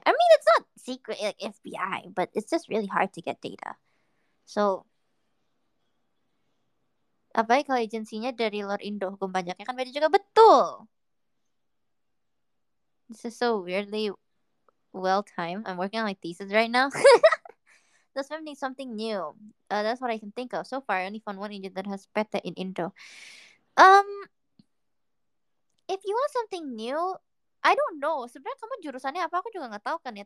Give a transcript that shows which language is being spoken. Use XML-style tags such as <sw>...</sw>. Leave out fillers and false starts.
<en>I mean, it's not secret like FBI, but it's just really hard to get data.</en> <id>So, apa ya kalau agensinya dari luar Indo, hukum pajaknya kan beda juga, betul.</id> <en>This is so weirdly well timed. I'm working on my thesis right now. That's why I need something new. That's what I can think of so far. I only found one agent that has PETA in Indo. If you want something new, I don't know.</en> <id>Sebenarnya kamu jurusannya apa? Aku juga nggak tahu kan ya.</id>